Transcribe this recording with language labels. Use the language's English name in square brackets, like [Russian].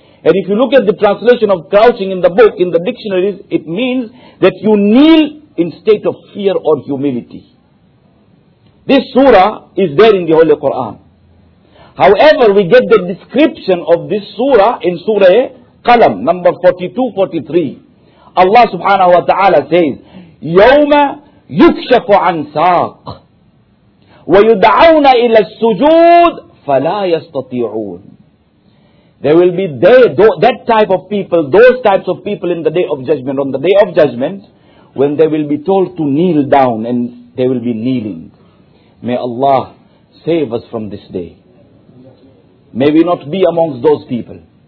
[English] And if you look at the translation of crouching in the book, in the dictionaries, it means that you kneel in state of fear or humility. This surah is there in the Holy Quran. However, we get the description of this surah in Surah Qalam, number 42-43. Allah subhanahu wa ta'ala says, [Arabic] يَوْمَ يُكْشَفُ عَنْ سَاقٍ وَيُدْعَوْنَ إِلَى السُّجُودِ فَلَا يَسْتَطِيعُونَ. [English] There will be that type of people, those types of people in the Day of Judgment, on the Day of Judgment, when they will be told to kneel down and they will be kneeling. May Allah save us from this day. May we not be amongst those people.